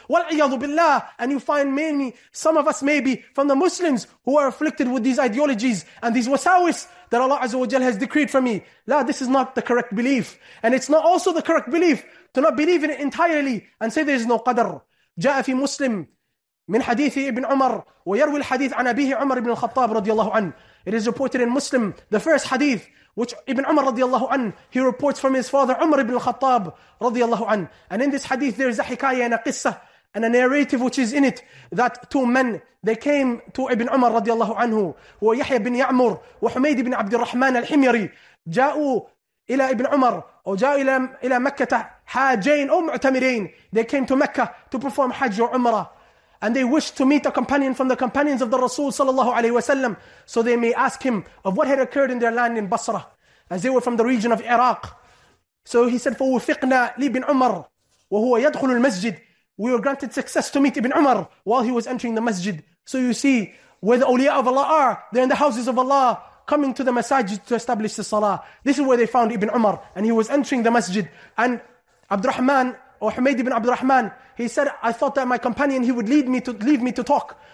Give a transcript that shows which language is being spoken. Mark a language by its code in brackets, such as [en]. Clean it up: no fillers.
[ar] وَالْعِيَاذُ بِاللَّهِ. [en] And you find many, some of us maybe, from the Muslims who are afflicted with these ideologies and these wasawis that Allah Azza wa Jal has decreed for me. La, this is not the correct belief. And it's not also the correct belief to not believe in it entirely and say there is no qadr. [ar] جَاءَ فِي مُسْلِمْ من حديث ابن عمر ويروي الحديث عن أبيه عمر بن الخطاب رضي الله عنه. [en] It is reported in Muslim, the first hadith which Ibn Umar رضي الله عنه, he reports from his father Umar ibn al-Khattab رضي الله عنه. And in this hadith there is a hikaya and a qissa and a narrative which is in it, that two men, they came to Ibn Umar رضي الله عنه, ويحيى بن يعمر وحميد بن عبد الرحمن الحميري. [ar] جاءوا إلى ابن عمر أو جاء إلى مكة حاجين أو معتمرين. [en] They came to Mecca to perform Hajj or Umrah. And they wished to meet a companion from the companions of the Rasul sallallahu alayhi wa sallam, so they may ask him of what had occurred in their land in Basra, as they were from the region of Iraq. So he said, [ar] فَوُفِقْنَا لِبْنْ عُمَرْ وَهُوَ يَدْخُلُ الْمَسْجِدْ. [en] We were granted success to meet Ibn Umar while he was entering the masjid. So you see where the awliya of Allah are, they're in the houses of Allah, coming to the masajid to establish the salah. This is where they found Ibn Umar, and he was entering the masjid. And Abdurrahman, or Humaid ibn Abdurrahman, he said, I thought that my companion, he would leave me to talk.